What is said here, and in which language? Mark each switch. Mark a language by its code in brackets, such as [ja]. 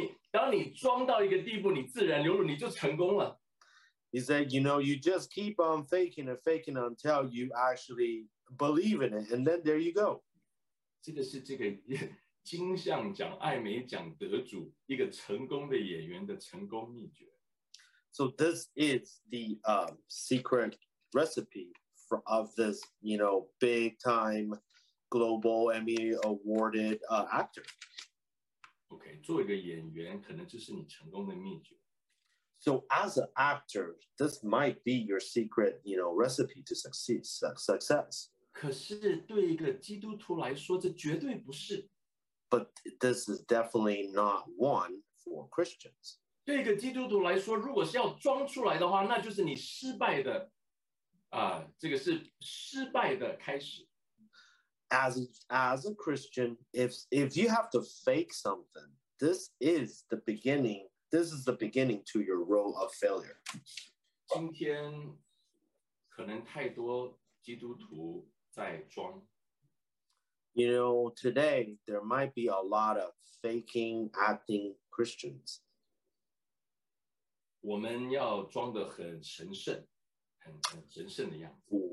[zh] 当你装到一个地步，你自然流露，你就成功了。 [en] He said, you know, you just keep on faking and faking until you actually believe in it, and then there you go。 [zh] 这个是这个金像奖、艾美奖得主一个成功的演员的成功秘诀。 [en] So this is the secret recipe of this, you know, big time global Emmy awarded actor. [zh] Okay, 作为一个演员，可能这是你成功的秘诀。 [en] So as an actor, this might be your secret, you know, recipe to success. [zh] 可是对一个基督徒来说，这绝对不是。 [en] But this is definitely not one for Christians. [zh] 对一个基督徒来说，如果是要装出来的话，那就是你失败的，这个是失败的开始。 [en] As a Christian, if you have to fake something, this is the beginning. This is the beginning to your role of failure. [zh] 今天可能太多基督徒在装。 [en] You know, today there might be a lot of faking, acting Christians. [zh] 我们要装得很神圣，很神圣的样子。